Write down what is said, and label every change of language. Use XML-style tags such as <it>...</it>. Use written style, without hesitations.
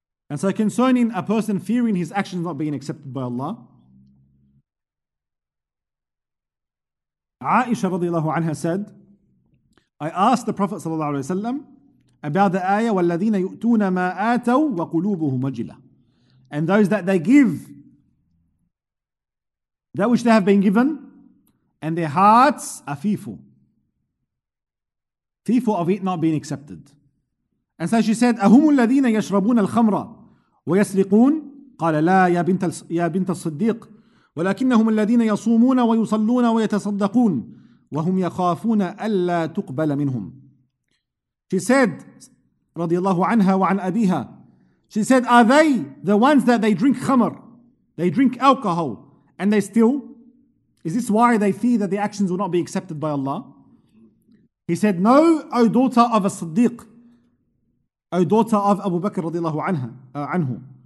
<en>And so concerning a person fearing his actions not being accepted by Allah, Aisha radiallahu anha said, I asked the Prophet sallallahu alayhi wa sallam about the ayah,</en> <ar>وَالَّذِينَ يُؤْتُونَ مَا آتَوْا وَقُلُوبُهُمْ وَجِلَةٌ.</ar> <en>And those that they give that which they have been given, and their hearts are fearful. Fearful of it not being accepted. And so she said,</en> <ar>أَهُمُ الَّذِينَ يَشْرَبُونَ الْخَمْرَ ويسرقون قال لا يا بنت الصديق ولكنهم الذين يصومون ويصلون ويتصدقون وهم يخافون ألا تقبل منهم.</ar> <en>She said</en> <ar>رضي الله عنها وعن أبيها.</ar> <en>She said, are they the ones that they drink khamr, they drink alcohol, and they steal? Is this why they fear that the actions will not be accepted by Allah? He said, no, O daughter of a Siddiq, O daughter of Abu Bakr radiallahu anhu.</en>